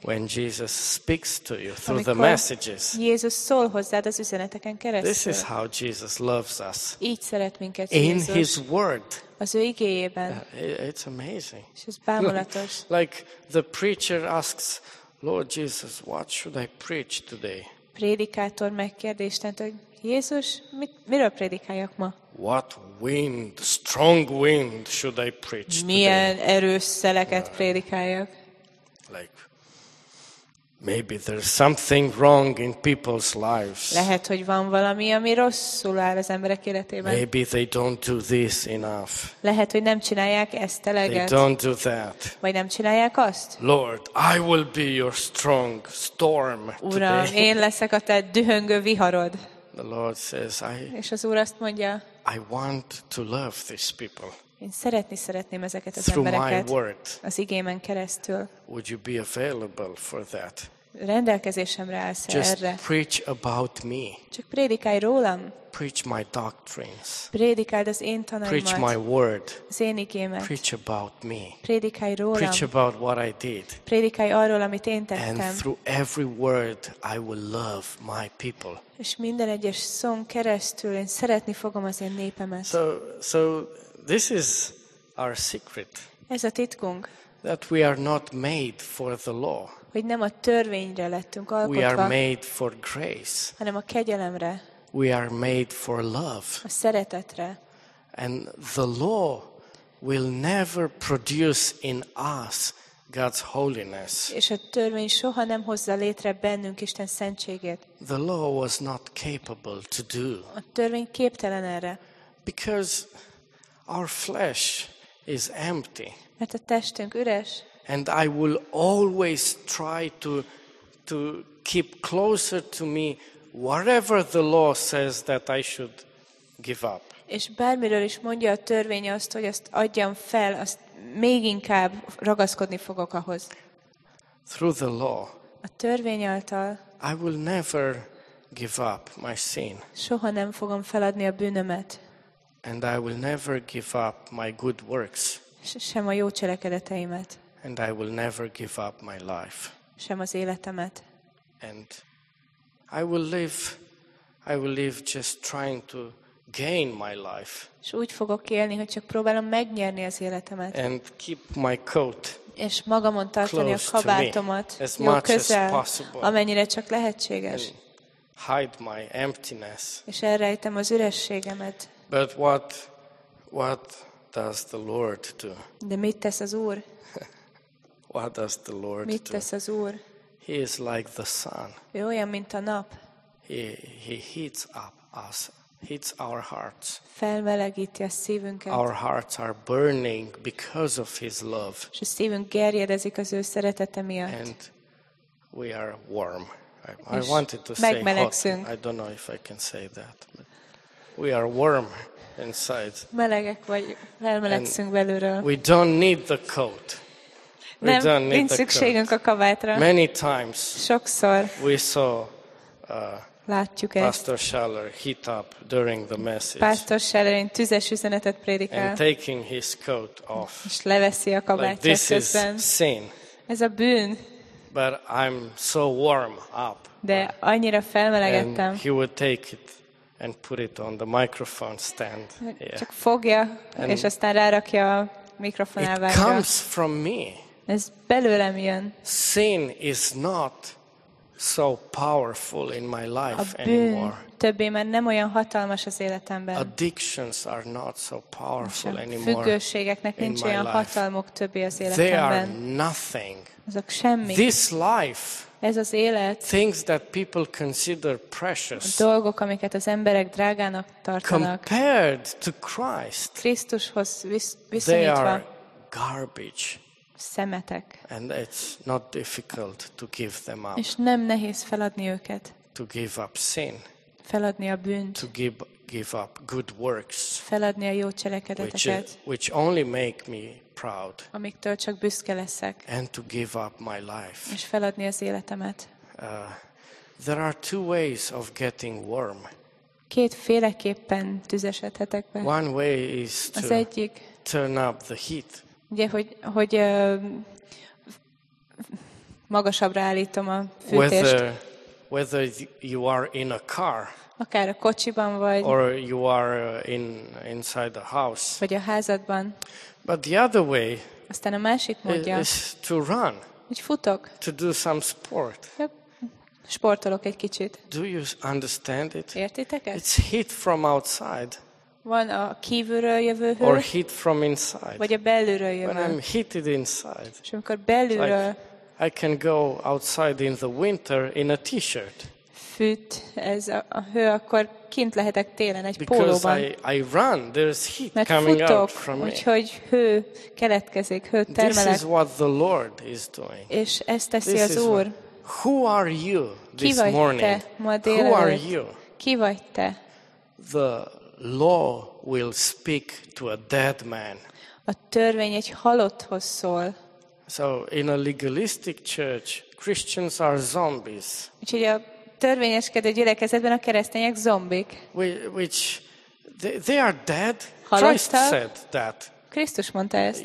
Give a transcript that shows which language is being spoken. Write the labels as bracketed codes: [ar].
[en] When Jesus speaks to you through the messages. [hu] Jézus szól hozzád az üzeneteken keresztül. [en] This is how Jesus loves us. [hu] Így szeret minket Jézus. [en] In his word. [hu] Az ő igéjében. [en] It's amazing. [hu] És ez bámulatos. [en] Like the preacher asks, Lord Jesus, what should I preach today? [hu] Prédikátor megkérdi Istent, hogy Jézus, miről prédikáljak ma? [en] What wind, strong wind should I preach today? [hu] Milyen erős szeleket prédikáljak? [en] Like maybe there's something wrong in people's lives. [hu] Lehet, hogy van valami, ami rosszul áll az emberek életében. [en] Maybe they don't do this enough. [hu] Lehet, hogy nem csinálják ezt eleget. [en] They don't do that. [hu] Vagy nem csinálják azt. [en] Lord, I will be your strong storm today. [hu] Uram, én leszek a te dühöngő viharod. [en] The Lord says, [hu] és az Úr azt mondja, [en] I want to love these people. [hu] Én szeretném ezeket az embereket [en] word, [hu] az igémen keresztül. [en] Would you be available for that? [hu] Rendelkezésemre állsz erre? [en] Just preach about me. [hu] Csak prédikálj rólam. [en] Preach my doctrines. [hu] Prédikáld az én tanaimat. [en] Preach my word. [hu] Az én igémet. [en] Preach about me. [hu] Prédikálj rólam. [en] Preach about what I did. [hu] Prédikálj arról, amit én tettem. [en] And through every word I will love my people. [hu] És minden egyes szón keresztül én szeretni fogom az én népemet. [en] So this is our secret. [hu] Ez a titkunk. [en] That we are not made for the law. [hu] Hogy nem a törvényre lettünk alkotva. [en] We are made for grace. [hu] Hanem a kegyelemre. [en] We are made for love. [hu] A szeretetre. [en] And the law will never produce in us God's holiness. [hu] És a törvény soha nem hozza létre bennünk Isten szentségét. [en] The law was not capable to do. [hu] A törvény képtelen erre. [en] Because our flesh is empty. [hu] Mert a testünk üres. [en] And I will always try to keep closer to me whatever the law says that I should give up. [hu] És bármiről is mondja a törvény azt, hogy ezt adjam fel, azt még inkább ragaszkodni fogok ahhoz. [en] Through the law. [hu] A törvény által. [en] I will never give up my sin. [hu] Soha nem fogom feladni a bűnömet. [en] And I will never give up my good works. [hu] Sem a jó cselekedeteimet. [en] And I will never give up my life. [hu] Sem az életemet. [en] And I will live just trying to gain my life. [hu] És úgy fogok élni, hogy csak próbálom megnyerni az életemet. [en] And keep my coat. [hu] És magamon tartani a kabátomat, [en] as much as possible. [hu] Amennyire csak lehetséges. [en] And hide my emptiness. [hu] És elrejtem az ürességemet. [en] But what does the Lord do? [hu] De mit tesz az Úr? [en] What does the Lord [hu] mit tesz az Úr? [en] He is like the sun. [hu] Ő olyan, mint a nap. [en] He heats up us, heats our hearts. [hu] Felmelegíti a szívünket. [en] Our hearts are burning because of his love. [hu] És a szívünk gerjedezik az ő szeretete miatt. [en] And we are warm. I wanted to say hot. I don't know if I can say that. We are warm inside. [hu] Melegek vagy, felmelegszünk belülről. [en] We don't need the coat. [hu] Nem, nincs szükségünk a kabátra. [en] Many times. [hu] Sokszor. [en] We saw [hu] látjuk ezt. [en] Pastor Schaller heat up during the message. [hu] Pastor Schaller egy tüzes üzenetet prédikál. [en] And taking his coat off. [hu] És leveszi a kabátját közben. [en] This is sin. [hu] Ez a bűn. [en] But I'm so warm up. [hu] De annyira felmelegedtem. [en] And he would take it and put it on the microphone stand. [hu] Csak fogja, and és aztán rárakja a mikrofon elvágja. [en] It comes from me. [hu] Ez belőlem jön. [en] Sin is not so powerful in my life anymore. [hu] Többé már nem olyan hatalmas az életemben. [en] Addictions are not so powerful anymore. [hu] Függőségeknek nincs olyan hatalmuk többé az életemben. [en] They are nothing. [hu] Azok semmi. [en] This life. [hu] Ez az élet. [en] Things that people consider precious. [hu] Dolgok, amiket az emberek drágának tartanak. [en] Compared to Christ. [hu] Krisztushoz viszonyítva. [en] They are garbage. [hu] Szemetek. [en] And it's not difficult to give them up. [hu] És nem nehéz feladni őket. [en] To give up sin. [hu] Feladni a bűnt. [en] To give up good works. [hu] Feladni a jó cselekedeteket. [en] Which only make me proud. [hu] Amiktől csak büszke leszek. [en] And to give up my life. [hu] És feladni az életemet. [en] There are two ways of getting warm. [hu] Kétféleképpen tüzesedhetek be. [en] One way is to turn up the heat. [hu] Ugye, hogy magasabbra állítom a fűtést. [en] Whether you are in a car. [hu] Akár a kocsiban vagy. [en] Or you are inside the house. [hu] Vagy a házadban. [en] But the other way. [hu] Aztán a másik módja. [en] Is to run. [hu] Úgy futok. [en] To do some sport. [hu] Sportolok egy kicsit. [en] Do you understand it? [hu] Értitek ezt? [en] It's heat from outside. [hu] Van a kívülről jövő hő, [en] or heat from inside. [hu] Vagy a belülről jövő. [en] When I'm heated inside. [hu] És amikor belülről. [en] Like I can go outside in the winter in a t-shirt. [hu] Fűt ez a hő, akkor kint lehetek télen egy [en] because [hu] pólóban. [en] Because I run, there's heat [hu] mert [en] coming [hu] futok, [en] out from me. [hu] Úgyhogy hő keletkezik, hő termelek. [en] This is what the Lord is doing. [hu] És ezt teszi az Úr. [en] Who are you this morning? [hu] Ki vagy te ma délelőtt? [en] Who are you? [hu] Ki vagy te? [en] The law will speak to a dead man. [hu] A törvény egy halotthoz szól. [en] So in a legalistic church, Christians are zombies. [hu] Úgyhogy a törvényeskedő gyülekezetben a keresztények zombik. [en] Which they are dead. Christ said that. [hu] Krisztus mondta ezt.